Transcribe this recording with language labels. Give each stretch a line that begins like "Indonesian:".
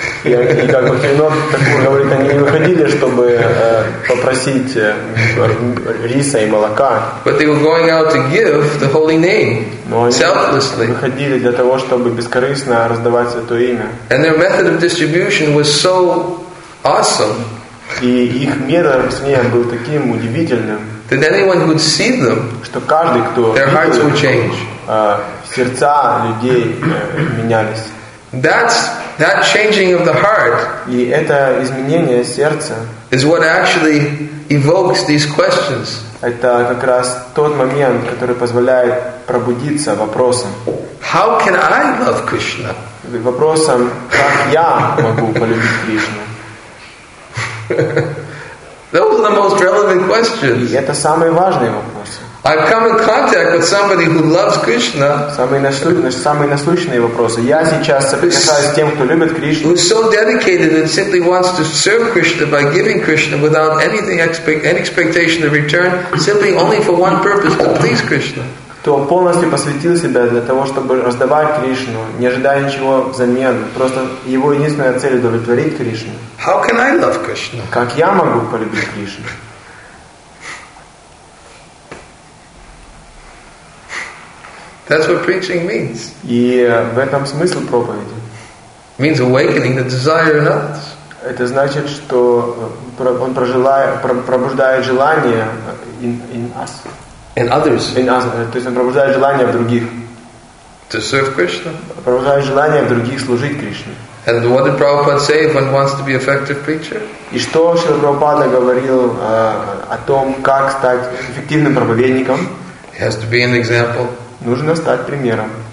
Russian: И как Бхактивинод Такур говорит, они не выходили, чтобы попросить риса и молока.
English: But they were going out to give the holy name.
Russian: Но они
English: selflessly
Russian: выходили для того, чтобы бескорыстно раздавать Святое имя.
English: And their method of distribution was so awesome.
Russian: И их метод распространения был таким удивительным,
English: that anyone would see them,
Russian: что каждый, кто
English: their
Russian: видел,
English: hearts would change.
Russian: Сердца людей менялись.
English: That changing of the heart,
Russian: и это изменение сердца,
English: is what actually evokes these questions.
Russian: Это как раз тот момент, который позволяет пробудиться вопросом.
English: How can I love Krishna?
Russian: Вопросом, как я могу полюбить Кришну?
English: Those are the most relevant questions.
Russian: И это самые важные вопросы.
English: I come in contact with somebody who loves Krishna.
Russian: Самые насущные вопросы. Я сейчас соприкасаюсь с тем, кто любит Кришну.
English: Who's so dedicated and simply wants to serve Krishna by giving Krishna without anything any expectation of return, simply only for one purpose, to please Krishna.
Russian: Кто полностью посвятил себя для того, чтобы раздавать Кришну, не ожидая ничего взамен, просто его единственная цель — удовлетворить Кришну.
English: How can I love Krishna?
Russian: Как я могу полюбить Кришну?
English: That's what preaching means.
Russian: И в этом смысл проповеди.
English: Means awakening the desire in us.
Russian: Это значит, что он пробуждает желание
English: in us. In others. In us.
Russian: То есть он пробуждает желание в других.
English: To serve Krishna.
Russian: Пробуждает желание в других служить Кришне.
English: And what did Prabhupada say if one wants to be effective preacher?
Russian: И что Шрила Прабхупада говорил о том, как стать эффективным проповедником?
English: He has to be an example.
Russian: Нужно стать примером.